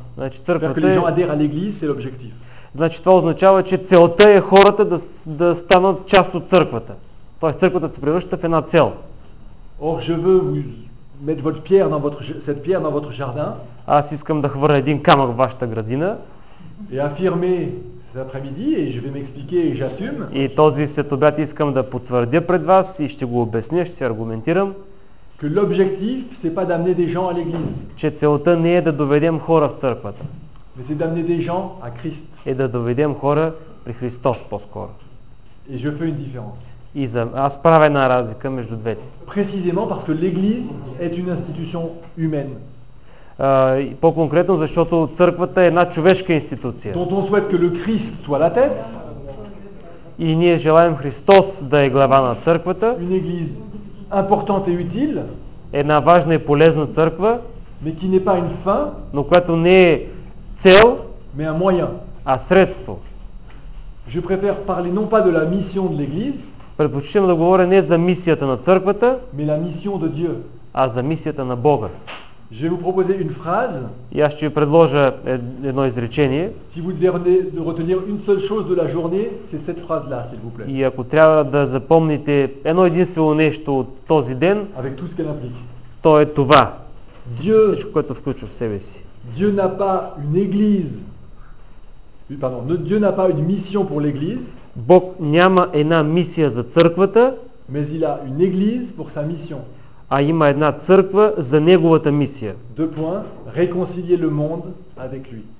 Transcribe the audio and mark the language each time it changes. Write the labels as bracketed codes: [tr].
[bg] Значи, църквата е... Това, че адера леглиз, е обжектив. Значи, това означава, че целта е хората да, да станат част от църквата. Тоест, църквата се превръща в една цел. [fr] Or, je veux vous mettre votre pierre dans votre, cette pierre dans votre jardin. [bg] Аз искам да хвърля един камък в вашата градина. [fr] Et affirmer cet après-midi, et je vais m'expliquer, et j'assume. [bg] И този следобед искам да потвърдя пред вас и ще го обясня, ще се аргументирам. [fr] Que l'objectif, c'est pas d'amener des gens à l'église. [bg] Че целта не е да доведем хора в църквата. [fr] Mais c'est d'amener des gens à Christ. [bg] Е да доведем хора при Христос по-скоро. [fr] Et je fais une différence. [bg] И за, аз правя една разлика между двете. [fr] Précisément parce que l'église est une institution humaine. [bg] По-конкретно, защото църквата е една човешка институция. [fr] Dont on souhaite que le Christ soit la tête. [bg] И ние желаем Христос да е глава на църквата. [fr] Une église importante et utile. [bg] Една важна и полезна църква. [fr] Mais qui n'est pas une fin. [bg] Но която не е цел. [fr] Mais un moyen. [bg] А средство. [fr] Je préfère parler non pas de la mission de l'église. [bg] Предпочитам да говоря не за мисията на църквата, [fr] mais la mission de Dieu. [bg] А за мисията на Бога. [fr] Je vais vous proposer une phrase. [bg] И аз ще ви предложа едно изречение. [fr] Si vous devez de retenir une seule chose de la journée, c'est cette phrase-là, s'il vous plaît. [bg] И ако трябва да запомните едно единствено нещо от този ден, [fr] avec tout ce qu'elle implique. [bg] То е това. [fr] Dieu, [bg] всичко, което включва в себе си. [fr] Dieu n'a pas une église. Pardon, Dieu n'a pas une mission pour l'église. [bg] Бог няма една мисия за църквата, [fr] mais il a une église pour sa mission. [bg] А има една църква за неговата мисия. [fr] De point, réconcilier le monde avec lui.